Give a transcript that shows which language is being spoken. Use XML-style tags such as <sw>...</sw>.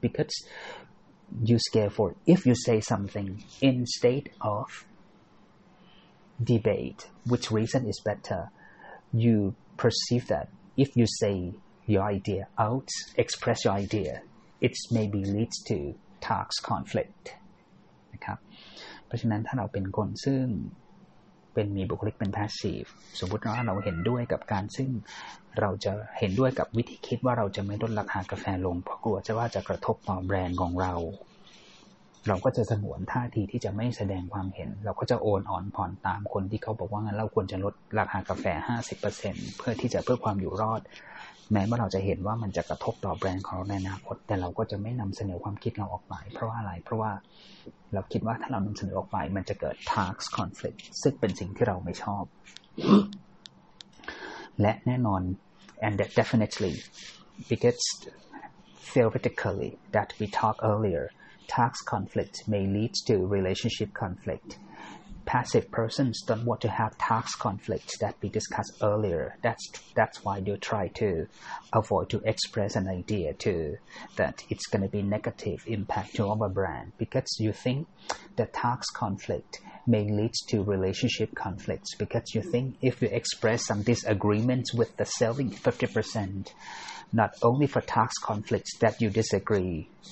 <en>Because you scare for it. If you say something in state of debate, which reason is better, you perceive that if you say your idea out, express your idea, it maybe leads to tax conflict.</en> <th>ครับเพราะฉะนั้นถ้าเราเป็นคนซึ่งเป็นมีบุคลิกเป็นพาสซีฟสมมุติว่าเราเห็นด้วยกับการซึ่งเราจะเห็นด้วยกับวิธีคิดว่าเราจะไม่ลดราคากาแฟลงเพราะกลัวจะว่าจะกระทบต่อแบรนด์ของเรา เราก็จะสงวนท่าทีที่จะไม่แสดงความเห็นเราก็จะโอนอ่อนผ่อนตามคนที่เขาบอกว่างั้นเราควรจะลดราคากาแฟ 50% เพื่อที่จะเพื่อความอยู่รอดแม้ว่าเราจะเห็นว่ามันจะกระทบต่อแบรนด์ของเราในอนาคตแต่เราก็จะไม่นำเสนอความคิดเราออกไปเพราะว่าอะไรเพราะว่า เราคิดว่าถ้าเรานำเสนอออกไปมันจะเกิด tax conflict ซึ่งเป็นสิ่งที่เราไม่ชอบ และแน่นอน</th> <en>and that definitely because theoretically that we talked earlierTax conflict may lead to relationship conflict. Passive persons don't want to have tax conflicts that we discussed earlier. That's why you try to avoid to express an idea to that it's going to be negative impact to our brand because you think the tax conflict may lead to relationship conflicts because you think if you express some disagreements with the selling 50%, not only for tax conflicts that you disagree.</en>